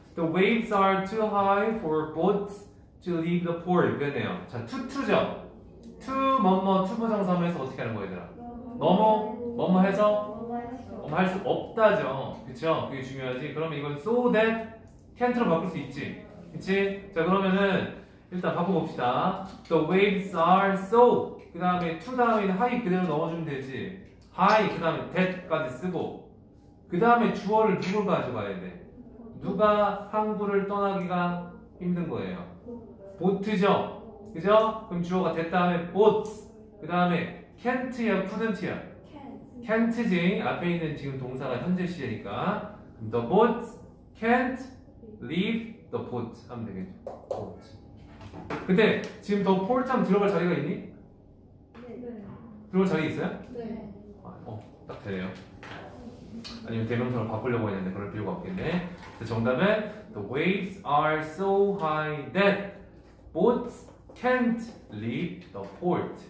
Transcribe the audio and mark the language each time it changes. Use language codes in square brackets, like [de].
[en] The waves are too high for boats to leave the port. [ko] 그랬네요. 자, to, to죠. to, 뭐뭐, to 부정사면서 어떻게 하는 거예요, 얘들아? 너무, 뭐뭐 해서? 너무 할 수 없다죠. 그쵸? 그게 중요하지. 그러면 이건 so that can't로 바꿀 수 있지. 그치? 자, 그러면은 일단 바꿔봅시다. [en] The waves are so. [ko] 그 다음에 to 다음에 high 그대로 넣어주면 되지. high, 그 다음에 that까지 쓰고. 그 다음에 주어를 누굴 가져가야 돼? 누가 항구를 떠나기가 힘든 거예요? 보트죠? 그죠? 그럼 주어가 됐다 하면 보트. 그 다음에 can't야, couldn't야? can't지. 앞에 있는 지금 동사가 현재 시제니까. [en] The boat can't leave the port [ko] 하면 되겠죠. 근데 지금 더 port 하면 들어갈 자리가 있니? 아니요. 들어올 자리 있어요? 네. 아, 어, 딱 되네요. 아니면 대명사로 바꾸려고 했는데 그럴 필요가 없겠네. 그 정답은 [en] The waves are so high that boats can't leave the port.